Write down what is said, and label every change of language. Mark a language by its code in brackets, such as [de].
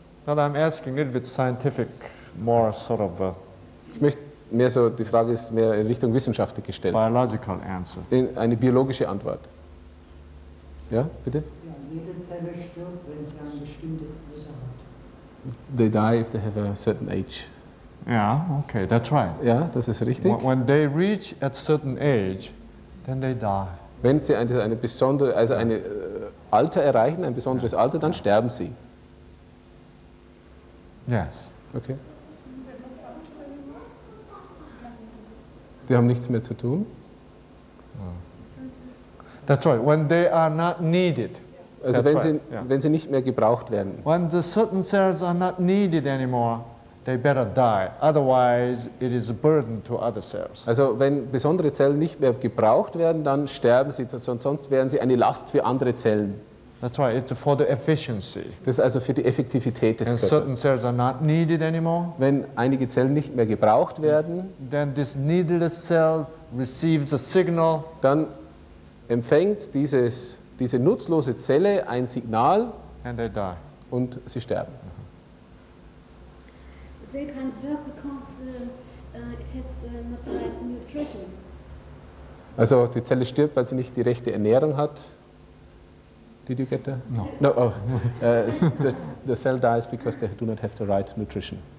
[en] But I'm asking a little bit scientific, more sort of. [de] Mehr so, die Frage ist mehr in Richtung Wissenschaft gestellt. [en] Biological answer. [de] Eine biologische Antwort. Ja, bitte? Jede Zelle stirbt, wenn sie ein bestimmtes Alter hat. [en] They die if they have a certain age. Ja, okay, that's right. [de] Ja, das ist richtig. [en] When they reach a certain age, then they die. [de] Wenn sie ein Alter erreichen, ein besonderes Alter, dann sterben sie. [en] Yes. Okay. [de] Die haben nichts mehr zu tun. [en] That's right. When they are not needed. [de] Also wenn sie, wenn sie nicht mehr gebraucht werden. [en] When the certain cells are not needed anymore, they better die. Otherwise, it is a burden to other cells. [de] Also wenn besondere Zellen nicht mehr gebraucht werden, dann sterben sie. Sonst werden sie eine Last für andere Zellen. [en] That's right. It's for the efficiency. [de] Das ist also für die Effektivität des [en] And [de] Körpers. [en] Certain cells are not needed anymore. [de] Wenn einige Zellen nicht mehr gebraucht werden, [en] then this needless cell receives a signal. [de] Dann empfängt diese nutzlose Zelle ein Signal. [en] And they die. [de] Und sie sterben. [en] They can't work because it has not the right nutrition. [de] Also die Zelle stirbt, weil sie nicht die rechte Ernährung hat. [en] Did you get that? No. No. Oh. The cell dies because they do not have the right nutrition.